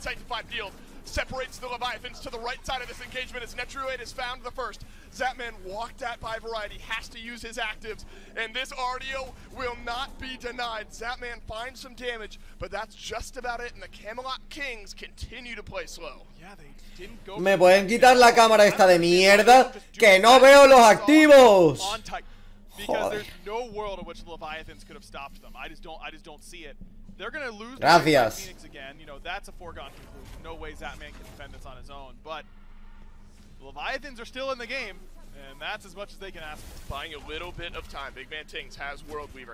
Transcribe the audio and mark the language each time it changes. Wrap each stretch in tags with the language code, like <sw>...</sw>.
<en>Sanctified Field separates the Leviathans to the right side of this engagement as Netruid has found the first. Zatman walked at by Variety, has to use his actives, and this RDO will not be denied. Zatman finds some damage, but that's just about it, and the Camelot Kings continue to play slow. Yeah, they didn't go.</en> <es>Me pueden quitar la cámara esta de mierda, que no veo los activos.</es> <en>Because there's no world in which the Leviathans could have stopped them. I just don't see it. They're gonna lose the Phoenix again. You know, that's a foregone conclusion. No way Zatman can defend this on his own. But Leviathans are still in the game, and that's as much as they can ask. Buying a little bit of time. Big Man Tings has World Weaver.</en>